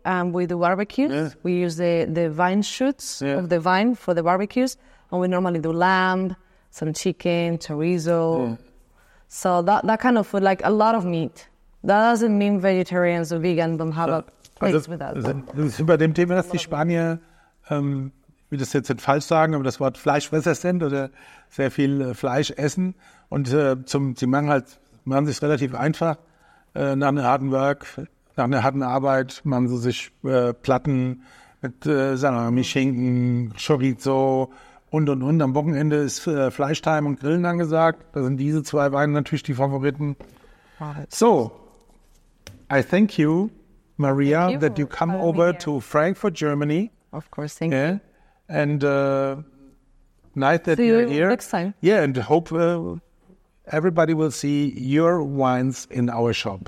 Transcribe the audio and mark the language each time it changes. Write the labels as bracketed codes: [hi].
[en] With the barbecues, yeah. We use the vine shoots yeah. of the vine for the barbecues, and we normally do lamb, some chicken, chorizo. Yeah. So that kind of food, like a lot of meat. That doesn't mean vegetarians or vegan don't have a place with that. [de] Sind bei dem Thema, dass die Spanier, wie das jetzt falsch sagen, aber das Wort Fleischfresser sind oder sehr viel Fleisch essen und sie machen sich relativ einfach. Nach einer harten Work, nach einer harten Arbeit machen sie sich Platten mit Salami, Schinken, Chorizo und. Am Wochenende ist Fleischtime und Grillen angesagt. Da sind diese zwei Weine natürlich die Favoriten. [en] So, I thank you, Maria, thank you that you come over to Frankfurt, Germany. Of course, thank you. And nice that you're here. See you next time. Yeah, and hope... everybody will see your wines in our shop.